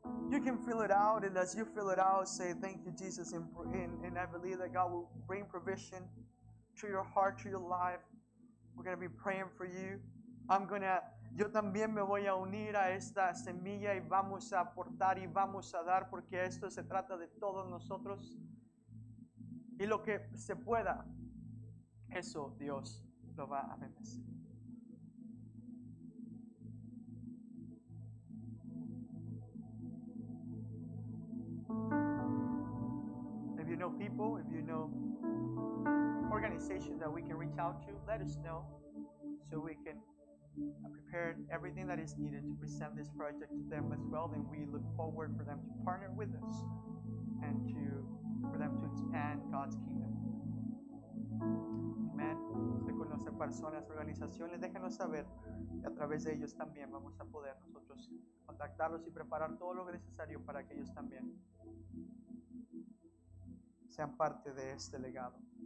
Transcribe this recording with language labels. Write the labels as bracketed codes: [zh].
[en] You can fill it out, and as you fill it out, say thank you, Jesus, and I believe that God will bring provision to your heart, to your life. We're going to be praying for you. [es] Yo también me voy a unir a esta semilla y vamos a aportar y vamos a dar, porque esto se trata de todos nosotros. Y lo que se pueda, eso Dios lo va a bendecir. [en] If you know people, if you know organizations that we can reach out to, let us know so we can prepared everything that is needed to present this project to them as well, and we look forward for them to partner with us and to for them to expand God's kingdom. Amen. [es] Usted conoce personas, organizaciones, déjenos saber y a través de ellos también vamos a poder nosotros contactarlos y preparar todo lo necesario para que ellos también sean parte de este legado.